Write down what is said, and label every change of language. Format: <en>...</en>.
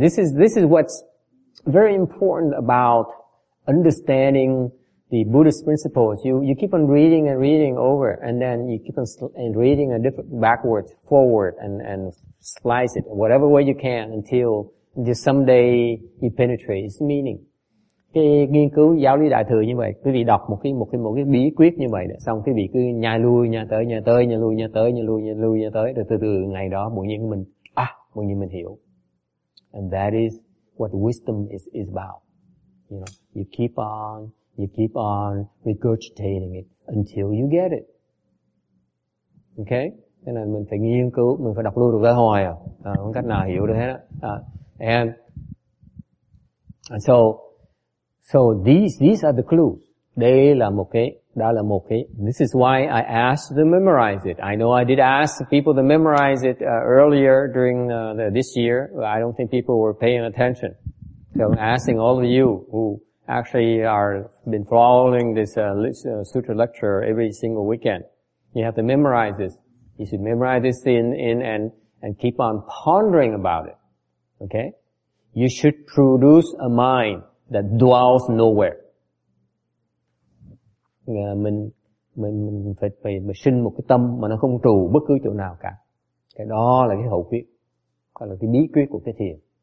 <en>This is what's very important about understanding the Buddhist principles. You keep on reading and reading over, and then you keep on reading a different backwards, forward, and slice it whatever way you can until someday you penetrate its meaning.</en> <vi>Cái nghiên cứu giáo lý đại thừa như vậy, quý vị đọc một cái bí quyết như vậy, xong quý vị cứ nhai lui nhai tới, rồi từ từ ngày đó bỗng nhiên mình hiểu.</vi> <en>And that is what wisdom is about. You know, you keep on regurgitating it until you get it. Okay?</en> <vi>Thế là mình phải nghiên cứu, mình phải đọc lui được tới hồi à. Không cách nào hiểu được hết á.</vi> <en>So these are the clues.</en> <vi>Đây là một cái, đó là một cái.</vi> <en>This is why I asked to memorize it. I know I did ask people to memorize it earlier during this year. I don't think people were paying attention. So I'm asking all of you who actually are been following this sutra lecture every single weekend. You have to memorize this. You should memorize this and keep on pondering about it. Okay? You should produce a mind that dwells nowhere.</en> <vi>Mình phải sinh một cái tâm mà nó không trụ bất cứ chỗ nào cả. Cái đó là cái hậu quyết, đó là cái bí quyết của cái thiền.</vi>